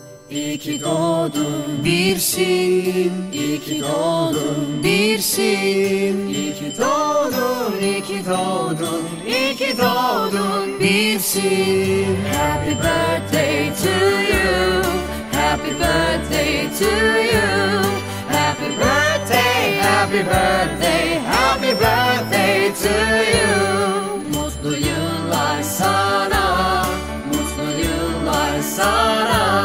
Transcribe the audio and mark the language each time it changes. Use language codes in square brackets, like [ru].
[tr] İyi ki doğdun birsin, iyi ki doğdun birsin. İyi ki doğdun, iyi ki doğdun, iyi ki doğdun birsin. [en] Happy birthday to you, happy birthday to you. Happy birthday, happy birthday, happy birthday to you. [tr] Mutlu yıllar sana, mutlu yıllar sana.